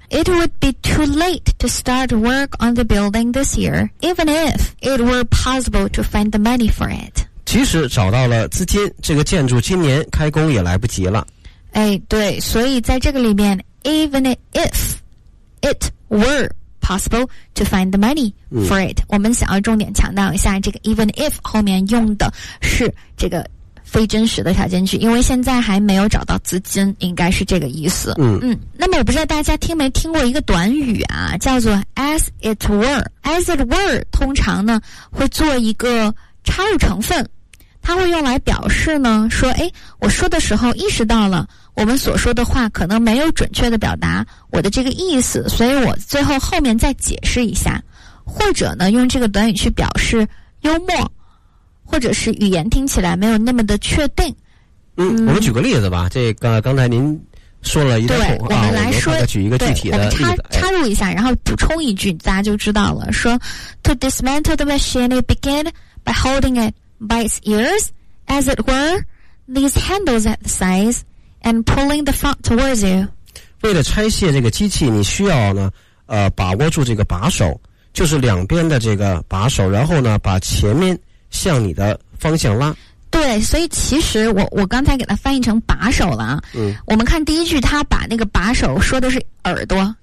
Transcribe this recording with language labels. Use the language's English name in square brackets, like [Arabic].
[English] It would be too late to start work on the building this year, even if it were possible to find the money for it. [Chinese] 即使找到了资金，这个建筑今年开工也来不及了。哎，对，所以在这个里面 [English] even if it were possible to find the money for it,、嗯、 [Chinese] 我们想要重点强调一下这个 even if 后面用的是这个非真实的条件句，因为现在还没有找到资金，应该是这个意思。嗯嗯。那么我不知道大家听没听过一个短语啊，叫做 as it were。 as it were 通常呢会做一个插入成分，它会用来表示呢说，诶，我说的时候意识到了我们所说的话可能没有准确的表达我的这个意思，所以我最后后面再解释一下，或者呢用这个短语去表示幽默。或者是语言听起来没有那么的确定。嗯，我们举个例子吧。这个刚才您说了一段口号，我们来说，啊、举一个具体的例子，我们插入一下，然后补充一句，大家就知道了。说 [English] ，To dismantle the machine, it began by holding it by its ears, as it were, these handles at the sides, and pulling the front towards you. [Chinese] 为了拆卸这个机器，你需要呢，把握住这个把手，就是两边的这个把手，然后呢，把前面。向你的方向拉。对，所以其实我刚才给它翻译成把手了啊。嗯。我们看第一句，他把那个把手说的是耳朵、